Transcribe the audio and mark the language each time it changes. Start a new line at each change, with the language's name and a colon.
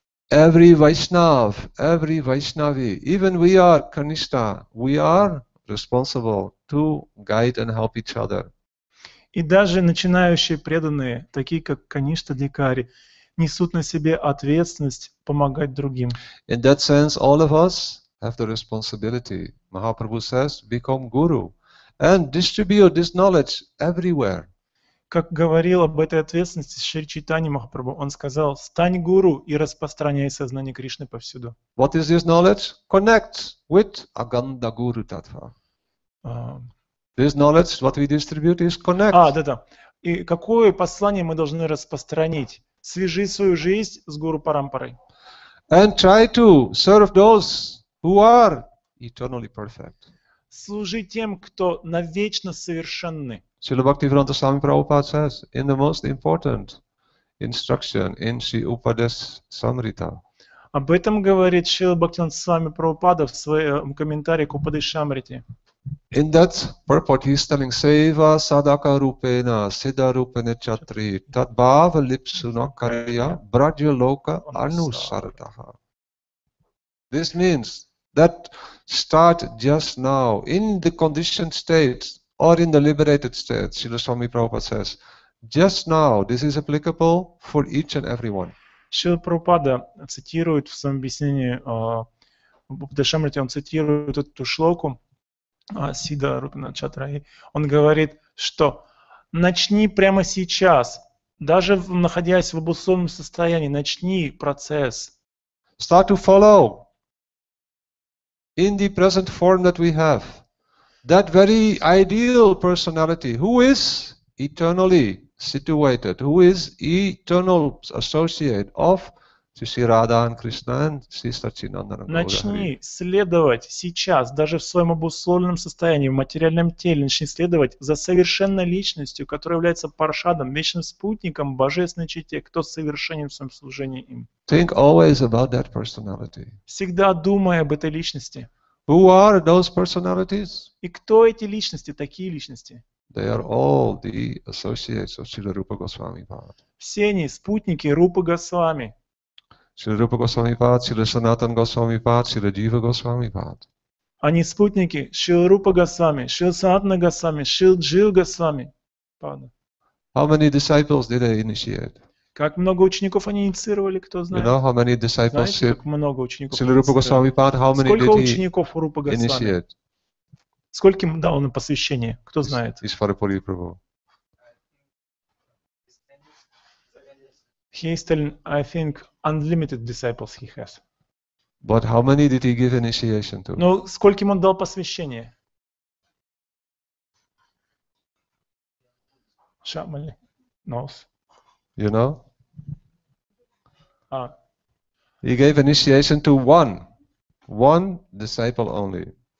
English: Every Vaishnav, every Vaishnavi, even we are Kanishta, we are responsible to guide and help each other.
Russian: И даже начинающие преданные, такие как Каништа Дикари, несут на себе ответственность помогать другим.
English: In that sense, all of us have the responsibility. Mahaprabhu says, become guru and distribute this knowledge everywhere.
Russian: Как говорил об этой ответственности Шри Чайтанья Махапрабху, он сказал: «Стань гуру и распространяй сознание Кришны повсюду».
English: What is this knowledge? Connect with Aganda Guru Tattva. This knowledge, what we distribute, is connect.
Russian: Да-да. И какое послание мы должны распространить? Свяжи свою жизнь с гуру Парампарой.
English: And try to serve those who are eternally perfect.
Russian: Служи тем, кто навечно совершенны.
English: Srila Bhaktivedanta Swami Prabhupada says in the most important instruction in Sri Upadesa Samrita.
Russian: Об этом говорит Srila Bhaktivedanta Swami Prabhupada в своем комментарии к Упадеса Самрите.
English: In that purport he is telling
Sanskrit: Seva Sadaka Rupena Siddha Rupena Chatri Tad Bhava Lipsuna Karya Braja Loka Anusaratah.
English: This means that start just now in the conditioned state or in the liberated state, Srila Swami Prabhupada says, just now, this is applicable for each and everyone.
Russian: Srila Prabhupada цитирует в своем объяснении, Упадесамрите, он цитирует эту шлоку, Сидда Рупина Чатраи, он говорит, что начни прямо сейчас, даже находясь в обусловленном состоянии, начни процесс.
English: Start to follow in the present form that we have. That very ideal personality, who is eternally situated, who is eternal associate of Sri Radha and Krishna and Sri Satchinandana.
Russian: Начни следовать сейчас, даже в своем обусловленном состоянии, в материальном теле, начни следовать за совершенной личностью, которая является Паршадом, вечным спутником, божественной чите, кто совершенен в своем служении им.
English: Think always about that personality.
Russian: Всегда думай об этой личности.
English: Who are those personalities?
Russian: И кто эти личности, такие личности?
English: They are all the associates of Srila Rupa Goswami Pad.
Russian: Все они спутники Рупы Госвами.
English: Srila Rupa Goswami Pad, Srila Sanatan Goswami Pad, Srila Jiva Goswami Pad.
Russian: Они спутники Srila Rupa Goswami, Srila Sanatan Goswami, Srila Jiva Goswami Pad.
English: How many disciples did they initiate?
Russian: Как много учеников они инициировали, кто знает?
English: You know how many disciples?
Russian: Знаете, как много учеников?
English: Srila Rupa Goswami Pad, how many
Russian: сколько
English: did
Russian: учеников
English: he Rupa Goswami? Initiate?
Russian: Сколько ему дал на посвящение? Кто знает? Из Фарапури Прабху.
English: He is telling, I think, unlimited disciples he has. But how many did he give initiation to?
Russian: Но сколько ему дал посвящение? Шамали. Нос.
English: You know? He gave initiation to one disciple only.